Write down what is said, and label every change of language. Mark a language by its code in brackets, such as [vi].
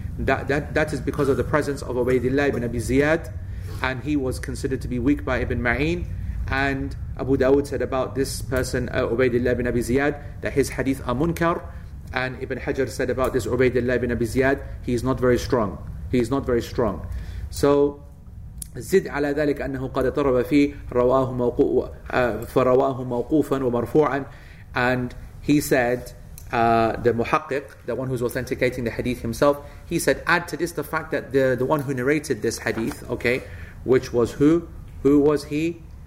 [en] That is because of the presence of Ubaydillah ibn Abi Ziyad, and he was considered to be weak by Ibn Ma'in. And Abu Dawud said about this person, Ubaydillah ibn Abi Ziyad, that his hadith are munkar. And Ibn Hajar said about this Ubaydillah ibn Abi Ziyad, he is not very strong. So, [ar] زد على ذلك أنه قد طرب فيه رواه موقوفا ومرفوعا. [en] And he said, the muhaqqiq, the one who's authenticating the hadith himself, he said, add to this the fact that the one who narrated this hadith, okay, which was who? Who was he?